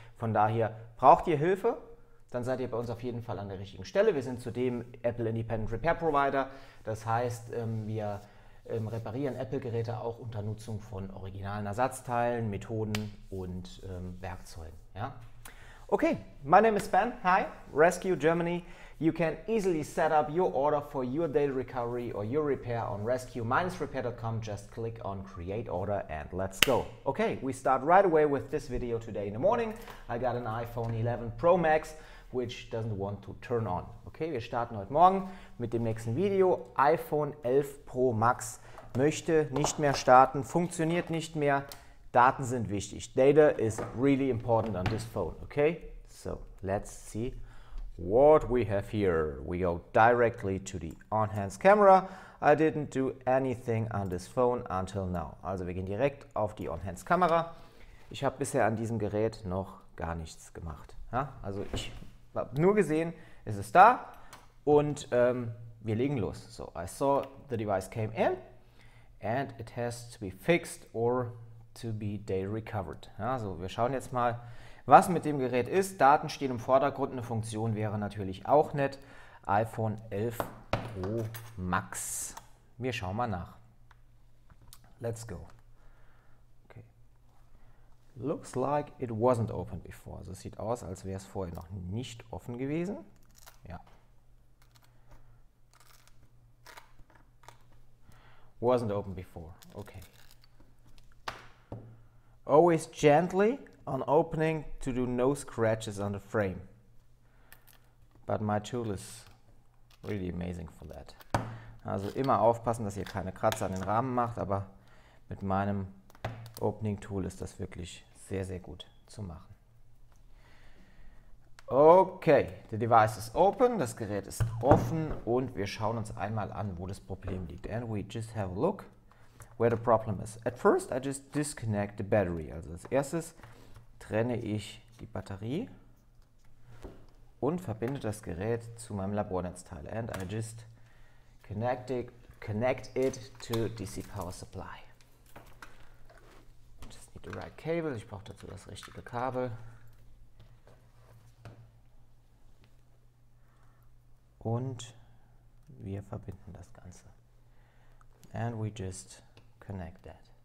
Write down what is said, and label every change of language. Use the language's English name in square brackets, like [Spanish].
[German] Von daher, braucht ihr Hilfe, dann seid ihr bei uns auf jeden Fall an der richtigen Stelle. Wir sind zudem Apple Independent Repair Provider. Das heißt, wir reparieren Apple-Geräte auch unter Nutzung von originalen Ersatzteilen, Methoden und Werkzeugen. [English] Ja? Okay, my name is Ben. Hi, Rescue Germany. You can easily set up your order for your daily recovery or your repair on rescue-repair.com. Just click on create order and let's go. Okay, we start right away with this video today in the morning. I got an iPhone 11 Pro Max, which doesn't want to turn on. [German] Okay, wir starten heute Morgen mit dem nächsten Video. iPhone 11 Pro Max möchte nicht mehr starten, funktioniert nicht mehr. Daten sind wichtig. [English] Data is really important on this phone. Okay, so let's see. What we have here, we go directly to the on-hands camera. I didn't do anything on this phone until now. [German] Also wir gehen direkt auf die on-hands Kamera. Ich habe bisher an diesem Gerät noch gar nichts gemacht. Ja? Also ich habe nur gesehen, es ist da und wir legen los. [English] So I saw the device came in and it has to be fixed or to be data recovered. [German] Ja, also wir schauen jetzt mal. Was mit dem Gerät ist, Daten stehen im Vordergrund, eine Funktion wäre natürlich auch nett. iPhone 11 Pro Max. Wir schauen mal nach. [English] Let's go. Okay. Looks like it wasn't open before. [German] Also es sieht aus, als wäre es vorher noch nicht offen gewesen. Ja. [English] Wasn't open before. Okay. Always gently on opening to do no scratches on the frame. But my tool is really amazing for that. [German] Also immer aufpassen, dass ihr keine Kratzer an den Rahmen macht, aber mit meinem Opening Tool ist das wirklich sehr, sehr gut zu machen. [English] Okay, the device is open, [German] das Gerät ist offen und wir schauen uns einmal an, wo das Problem liegt. [English] And we just have a look where the problem is. At first I just disconnect the battery. [German] Also als erstes trenne ich die Batterie und verbinde das Gerät zu meinem Labornetzteil. [English] And I just connect it to DC Power Supply. I just need the right cable. [German] Ich brauche dazu das richtige Kabel. Und wir verbinden das Ganze. [English] And we just connect that.